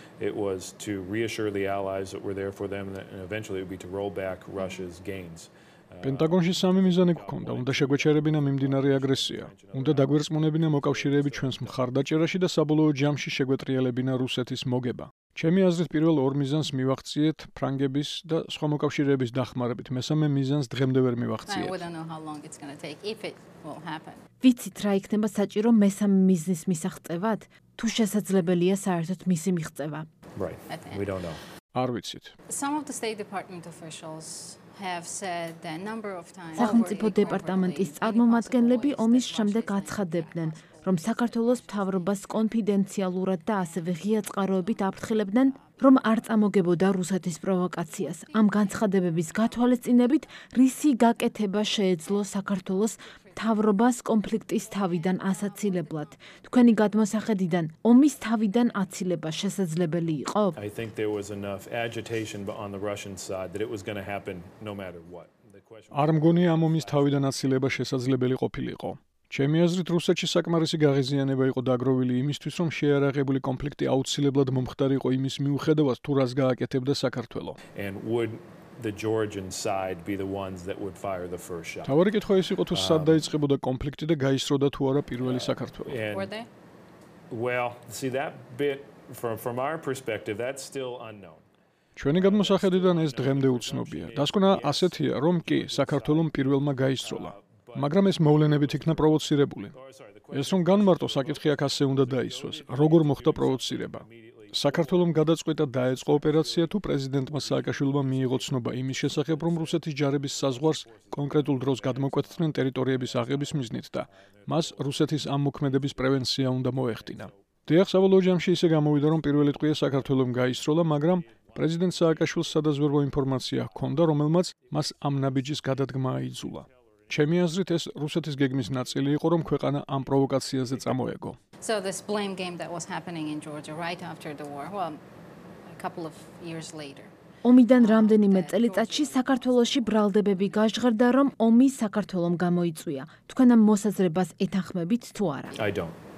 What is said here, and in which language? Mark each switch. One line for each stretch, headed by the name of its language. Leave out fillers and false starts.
English: It was to reassure the allies that were there for them and eventually it would be to roll back Russia's gains.
Georgian: პენტაგონში სამი მიზანი გვქონდა: უნდა შეგვეჩერებინა მიმდინარე აგრესია, უნდა დაგვერწმუნებინა მოკავშირეები ჩვენს მხარდაჭერაში და საბოლოო ჯამში შეგვეტრიალებინა რუსეთის მოგება. ჩემი აზრით, პირველ ორ მიზანს მივახციეთ ფრანგების და სხვა მოკავშირეების დახმარებით, მესამე მიზანს დღემდე ვერ მივახციეთ. ვიცით რა იქნება საჭირო მესამე მიზნის მისაღწევად, თუ შესაძლებელია საერთოდ მისი მიღწევა. არ ვიცით.
English: Some of the State Department officials have said the number of times
Georgian: სახელმწიფო დეპარტამენტის წარმომადგენლები ომის შემდეგ აცხადებდნენ, რომ საქართველოს მთავრობას კონფიდენციალურად და ასევე ღია წყაროებით აფრთხილებდნენ, რომ არ წამოგებოდა რუსეთის პროვოკაციას. ამ განცხადებების გათვალისწინებით, რისი გაკეთება შეეძლო საქართველოს მთავრობას კონფლიქტის თავიდან ასაცილებლად? თქვენი გადმოსახედიდან ომის თავიდან აცილება შესაძლებელი იყო?
English: I think there was enough agitation on the Russian side that it was going to happen no matter what.
Georgian: არ მგონი ამ ომის თავიდან აცილება შესაძლებელი ყოფილიყო. ჩემი აზრით, რუსეთში საკმარისი გაღიზიანება იყო დაგროვილი იმისთვის, რომ შეარაღებული კონფლიქტი აუცილებლად მომხდარიყო იმის მიუხედავად, თუ რას გააკეთებდა საქართველო.
English: The Georgian side be the ones that would fire the first shot.
Georgian: თავი კითხვა ის იყო, თუ სად დაიწყებოდა კონფლიქტი და გაისროდა თუ არა პირველი საქართველო.
English: Well, see that bit from our perspective that's still unknown.
Georgian: ჩვენი გადმოსახედიდან ეს დღემდე უცნობია. დასკვნა ასეთია, რომ კი, საქართველომ პირველმა გაისროლა. მაგრამ ეს მოვლენებით იქნა პროვოცირებული. ეს რომ განმარტო, საკითხი აქ ასე უნდა დაისვას. როგორ მოხდა პროვოცირება? საქართველოს გადაწყვეტა დაეწყო ოპერაცია, თუ პრეზიდენტმა სააკაშვილმა მიიღო ცნობა იმის შესახებ, რომ რუსეთის ჯარების საზღვარს კონკრეტულ დროს გადმოკვეთდნენ ტერიტორიების აღების მიზნით და მას რუსეთის ამ მოქმედების პრევენცია უნდა მოეხდინა. დიახ, საბოლოო ჯამში ისე გამოვიდა, რომ პირველი ტყვია საქართველომ გაისროლა, მაგრამ პრეზიდენტ სააკაშვილს სადაზვერვო ინფორმაცია ჰქონდა, რომელმაც მას ამ ნაბიჯის გადადგმა აიძულა. ჩემი აზრით, ეს რუსეთის გეგმის ნაწილი იყო, რომ ქვეყანა ამ პროვოკაციაზე წამოეგო.
English: So this blame game that was happening in Georgia right after the war, well, a couple of years later.
Georgian: ომიდან რამდენიმე წელიწადში საქართველოსი ბრალდებები გაჟღერდა, რომ ომი საქართველოს გამოიწვია. თქვენ ამ მოსაზრებას ეთანხმებით თუ არა?